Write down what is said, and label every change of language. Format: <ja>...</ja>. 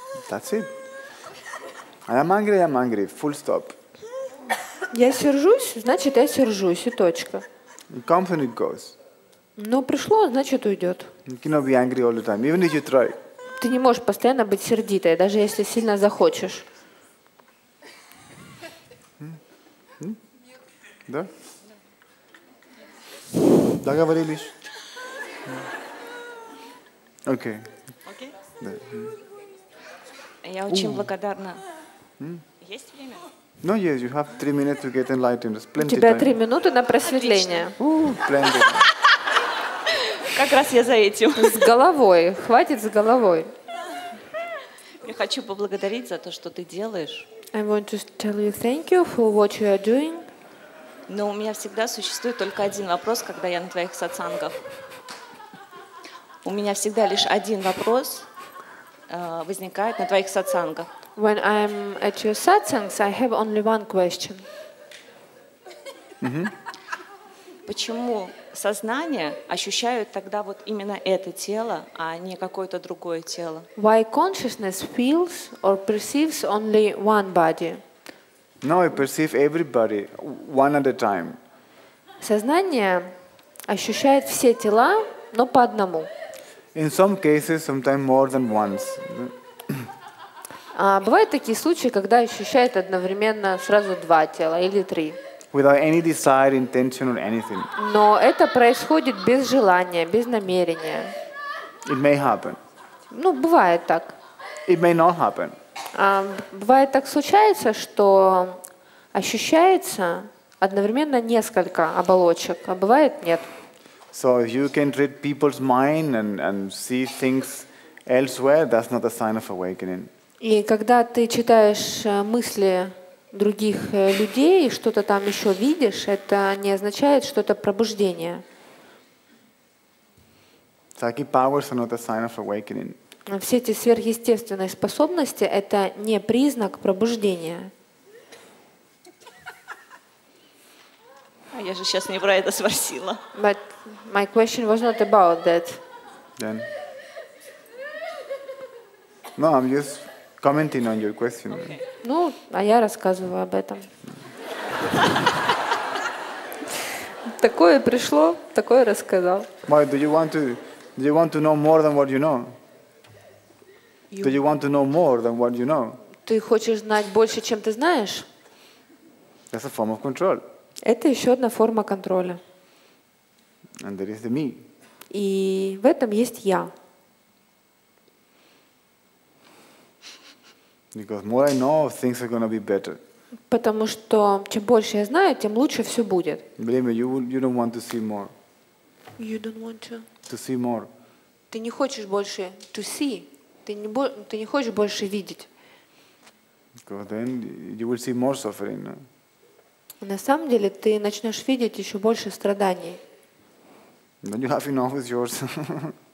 <en>That's it. I'm angry. Full stop.</en> <ru>Я сержусь, значит, я сержусь, и точка.</ru> <en>It comes and it goes.</en> <ru>Ну, пришло, значит, уйдет.</ru> <en>You cannot be angry all the time, even if you try.</en> <ru>Ты не можешь постоянно быть сердитой, даже если сильно захочешь. Да? Договорились? Окей. Я очень благодарна. Есть время?</ru> <en>No, yes, you have 3 minutes to get enlightened. There's plenty of time.</en> <ru>У тебя 3 минуты на просветление.</ru> <en>Plenty.</en> <ru>Как раз я за этим. С головой. Хватит с головой. Я хочу поблагодарить за то, что ты делаешь.</ru> <en>I want to tell you thank you for what you are doing.</en> <ru>Но у меня всегда существует только один вопрос, когда я на твоих сатсангах. У меня всегда лишь один вопрос возникает на твоих сатсангах.</ru> <en>When I'm at your satsangs, I have only one question.</en> <ru>Почему сознание ощущает тогда вот именно это тело, а не какое-то другое тело?</ru> <en>Why consciousness feels or perceives only one body? No, I perceive everybody one at a time.</en> <ru>Сознание ощущает все тела, но по одному.</ru> <en>In some cases, sometimes more than once.</en> <ru>А бывают такие случаи, когда ощущает одновременно сразу два тела или три.</ru> <en>Without any desire, intention or anything.</en> <ru>Но это происходит без желания, без намерения.</ru> <en>It may happen.</en> <ru>Ну, бывает так.</ru> <en>It may not happen.</en> <ru>Бывает так случается, что ощущается одновременно несколько оболочек, а бывает нет.</ru> <en>So if you can read people's mind and see things elsewhere, that's not a sign of awakening.</en> <ru>И когда ты читаешь мысли других людей, что-то там еще видишь, это не означает, что это пробуждение.</ru> <en>Psychic powers are not a sign of awakening.</en> <ru>Все эти сверхъестественные способности — это не признак пробуждения. А я же сейчас не про это спросила.</ru> <en>But my question was not about that. Then. No, I'm just commenting on your question. Okay.</en> <ru>Ну, а я рассказываю об этом. Такое пришло, такое рассказал.</ru> <en>Why do you want to know more than what you know? Do you want to know more than what you know?</en> <ru>Ты хочешь знать больше, чем ты знаешь?</ru> <en>That's a form of control.</en> <ru>Это еще одна форма контроля.</ru> <en>And there is the me.</en> <ru>И в этом есть я.</ru> <en>Because more I know, things are gonna be better.</en> <ru>Потому что чем больше я знаю, тем лучше все будет.</ru> <en>Blame me, you don't want to see more. You don't want to. To see more.</en> <ru>Ты не хочешь больше.</ru> <en>To see.</en> <ru>Ты не хочешь больше видеть.</ru> <en>Because then you will see more suffering.</en> <ru>На самом деле ты начнешь видеть еще больше страданий.</ru> <en>Then you have enough with yours.</en>